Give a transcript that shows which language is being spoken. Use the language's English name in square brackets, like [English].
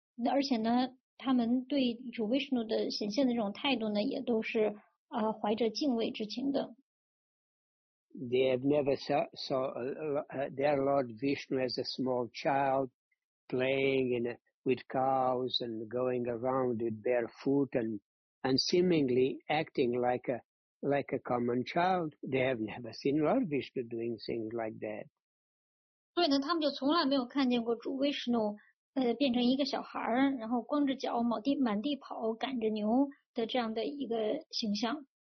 [Chinese] 而且呢，他们对主 Vishnu 的显现的这种态度呢，也都是怀着敬畏之情的。 [English] They have never saw their Lord Vishnu as a small child playing with cows and going around with barefoot and seemingly acting like a common child. They have never seen Lord Vishnu doing things like that. [Chinese] 所以呢，他们就从来没有看见过主 Vishnu 变成一个小孩，然后光着脚满地跑，赶着牛的这样的一个形象。